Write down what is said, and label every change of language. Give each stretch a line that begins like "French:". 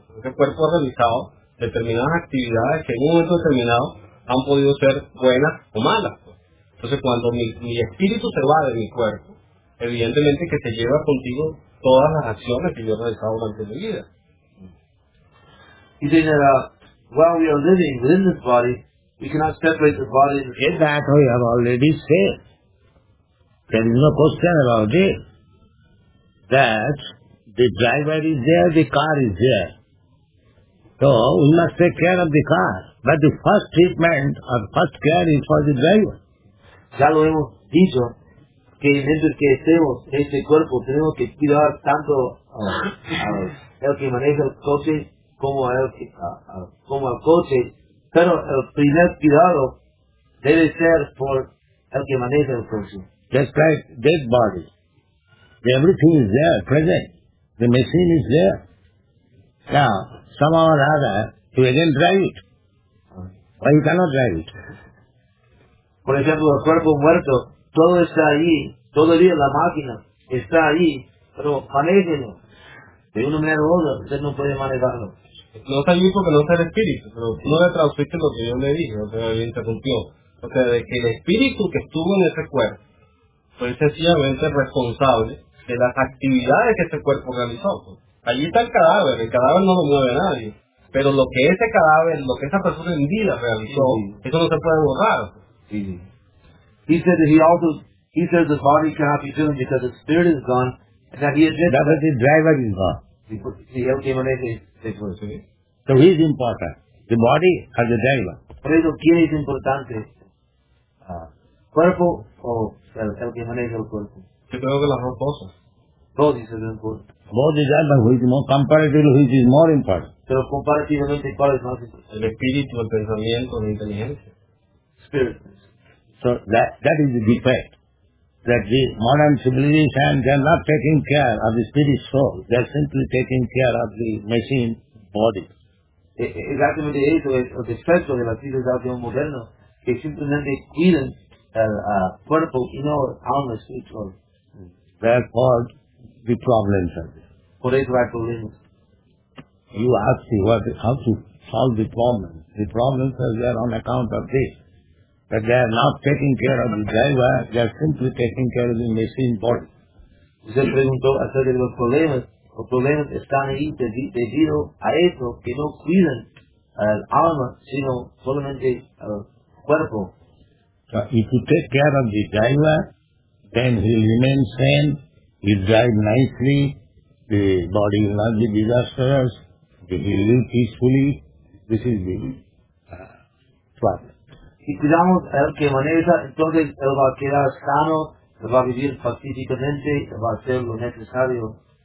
Spanish: Ese cuerpo ha realizado determinadas actividades que en un momento determinado han podido ser buenas o malas. Entonces cuando mi espíritu se va de mi cuerpo, evidentemente que se lleva contigo todas las acciones que yo he realizado durante mi vida.
English: He said that while we are living within this body, we cannot separate the body. In that we have already said, there is no question about it, that the driver is there, the car is there. So, we must take care of the car. But the first treatment, or first care is for the driver.
Spanish: ya lo hemos dicho, que dentro de que estemos en este cuerpo, tenemos que cuidar tanto al que maneja el coche como al coche, pero el primer cuidado debe ser por el que maneja el coche.
English: Just like dead body. Everything is there, present. The machine is there. Now, somehow or other, he doesn't drive it. Why he cannot drive it?
Spanish: Por ejemplo, el cuerpo muerto, todo está ahí, todo el día la máquina está ahí, pero manéjelo. De una manera u otra, usted no puede manejarlo. No está ahí porque no está el espíritu, pero tú no le traduciste lo que yo le dije, lo que me interrumpió. O sea, de que el espíritu que estuvo en ese cuerpo fue sencillamente responsable de las actividades que ese cuerpo realizó. Allí está el cadáver no lo mueve nadie. Pero lo que ese cadáver, lo que esa persona en vida realizó, sí, sí, eso no se puede borrar. Sí, sí.
English: He said that he says the body cannot be killed because the spirit is gone, and that he is dead. That was the driver is gone. He came on it. So he is important. The body has the driver.
Spanish: Por eso, ¿quién es importante? ¿Cuerpo o el que maneja el cuerpo? Yo creo que las dos cosas.
English: Both is important. Both is that, but which is more comparatively, which is more important.
Spanish: Pero comparativamente, ¿cuál es más importante? El espíritu, el pensamiento, la inteligencia.
English: Spirit. So that is the defect. That the modern civilization, they are not taking care of the spirit soul. They are simply taking care of the machine body.
Spanish: Exactamente eso es el defecto de la civilización moderna, que simplemente cuidan el cuerpo y no aún el espíritu.
English: Therefore, the problems are there.
Spanish: Por eso hay problemas.
English: You ask me how to solve the problem. The problems are there on account of this. That they are not taking care of the driver, they are simply taking care of the machine body.
Spanish: Usted preguntó acerca de los problemas están ahí debido a eso, que no cuidan el alma, sino solamente el cuerpo.
English: So if you take care of the driver, then he will remain sane, he will drive nicely, the body will not be disastrous, he will live peacefully. This is the problem.
Spanish: Si cuidamos al que maneja, entonces él va a quedar sano, él va a vivir pacíficamente, él va a hacer lo necesario.